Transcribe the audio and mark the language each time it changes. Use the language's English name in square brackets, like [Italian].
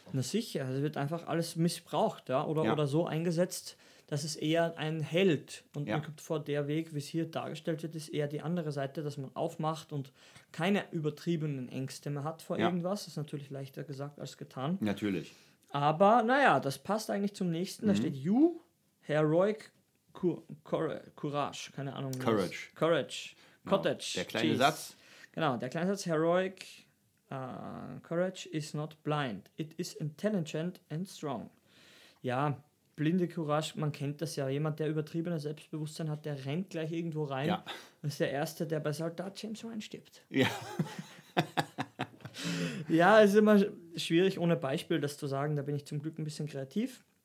[German] Na sicher, es wird einfach alles missbraucht oder so eingesetzt, dass es eher ein Held und man kommt vor der Weg, wie es hier dargestellt wird, ist eher die andere Seite, dass man aufmacht und keine übertriebenen Ängste mehr hat vor irgendwas. Das ist natürlich leichter gesagt als getan. Natürlich. Aber naja, das passt eigentlich zum nächsten. Da steht [English] You, Heroic Courage, [German] keine Ahnung. Courage. Was. Courage. Cottage. Der kleine Satz. Genau, der kleine Satz. [English] Heroic Courage is not blind. It is intelligent and strong. [German] Ja, blinde Courage, man kennt das ja. Jemand, der übertriebenes Selbstbewusstsein hat, der rennt gleich irgendwo rein. Ja. Das ist der Erste, der bei Soldat James Ryan stirbt. Ja. Ja, es ist immer schwierig, ohne Beispiel das zu sagen. Da bin ich zum Glück ein bisschen kreativ.